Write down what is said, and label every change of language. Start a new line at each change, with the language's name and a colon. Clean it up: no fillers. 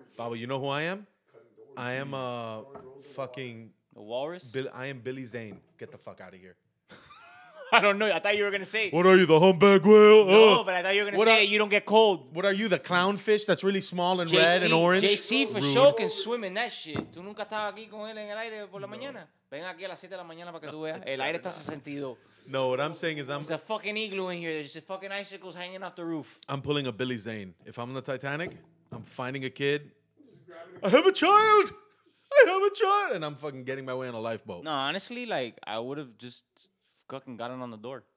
English: Baba, you know who I am? I am a fucking... The walrus? I am Billy Zane. Get the fuck out of here. I don't know. I thought you were going to say... What are you, the humpback whale? No, but I thought you were going to say you don't get cold. What are you, the clownfish that's really small and red and orange? JC for sure can swim in that shit.
Spanish: Tú nunca estabas aquí con él en el aire por la mañana. Ven aquí a las 7 de la mañana para que tú veas. El aire está sin sentido.
English: No, what I'm saying is There's a fucking igloo in here. There's just fucking icicles hanging off the roof. I'm pulling a Billy Zane. If I'm on the Titanic, I'm finding a kid. I have a child! I have a child! And I'm fucking getting my way on a lifeboat. No, honestly, like, I would have just fucking gotten on the door.